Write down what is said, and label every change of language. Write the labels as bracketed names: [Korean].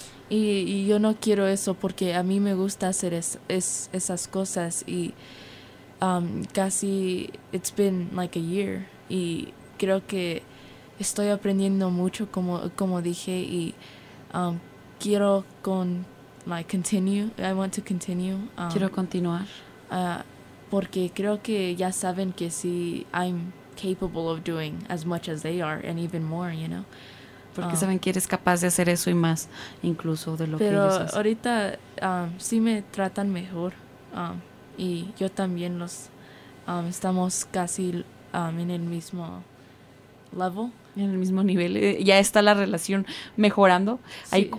[Spanish] Y yo no quiero eso porque a mí me gusta hacer esas cosas y casi [English] it's been like a year. [Spanish] Y creo que estoy aprendiendo mucho, como dije, y quiero [English] continue. I want to continue. [Spanish] Quiero continuar. Porque creo que ya saben que sí, [English] I'm capable of doing as much as they are, and even more, you know. [Spanish] Porque saben que eres capaz de hacer eso y más, incluso de lo que ellos hacen. Pero ahorita sí me tratan mejor, y yo también los estamos casi... en el mismo level. En el mismo nivel. Ya está la relación mejorando. Sí.